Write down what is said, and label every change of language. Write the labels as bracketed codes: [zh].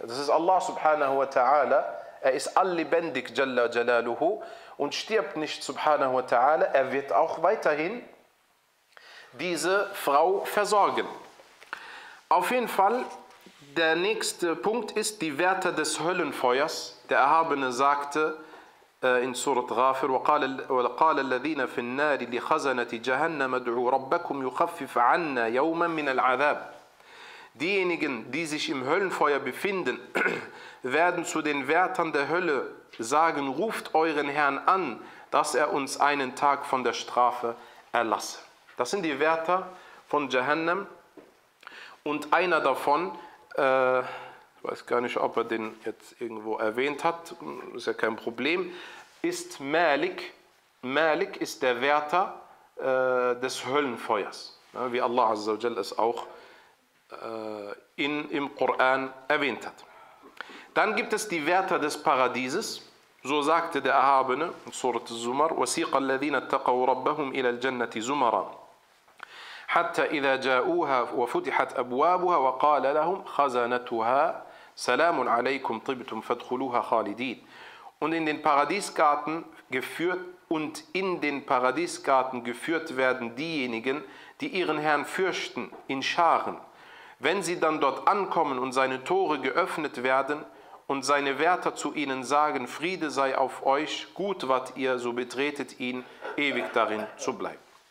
[de] Das ist Allah subhanahu wa ta'ala. Er ist allebendig, Jalla Jalaluhu, und stirbt nicht, subhanahu wa ta'ala. Er wird auch weiterhin diese Frau versorgen. Auf jeden Fall, der nächste Punkt ist die Wärter des Höllenfeuers. Der Erhabene sagte in Surat Ghafir, [ar] وَقَالَ الَّذِينَ فِي النَّارِ لِخَزَنَةِ جَهَنَّمَ دُعُوا رَبَّكُمْ يُخَفِّفْ عَنَّا يَوْمًا مِنَ الْعَذَابِ. [de] Diejenigen, die sich im Höllenfeuer befinden, werden zu den Wärtern der Hölle sagen, ruft euren Herrn an, dass er uns einen Tag von der Strafe erlasse. Das sind die Wärter von Jahannam. Und einer davon, ich weiß gar nicht, ob er den jetzt irgendwo erwähnt hat, ist ja kein Problem, ist Malik. Malik ist der Wärter des Höllenfeuers, ja, wie Allah Azza wa Jalla es auch im Koran erwähnt hat. Dann gibt es die Wärter des Paradieses. So sagte der Erhabene in Surat Zumar, [ar] وَسِيقَ الَّذِينَ اتَّقَوْا رَبَّهُمْ إِلَى الْجَنَّةِ زُمَرًا حَتَّى إِذَا جَاءُوهَا وَفُتِحَتْ أَبْوَابُهَا وَقَالَ لَهُمْ خَزَنَتُهَا سَلَامٌ عَلَيْكُمْ طِبْتُمْ فَادْخُلُوهَا خَالِدِينَ. [de] Und in den Paradiesgarten geführt und in den Paradiesgarten geführt werden diejenigen, die ihren Herrn fürchten, in Scharen. Wenn sie dann dort ankommen und seine Tore geöffnet werden und seine Wärter zu ihnen sagen, Friede sei auf euch, gut wart ihr, so betretet ihn, ewig darin zu bleiben.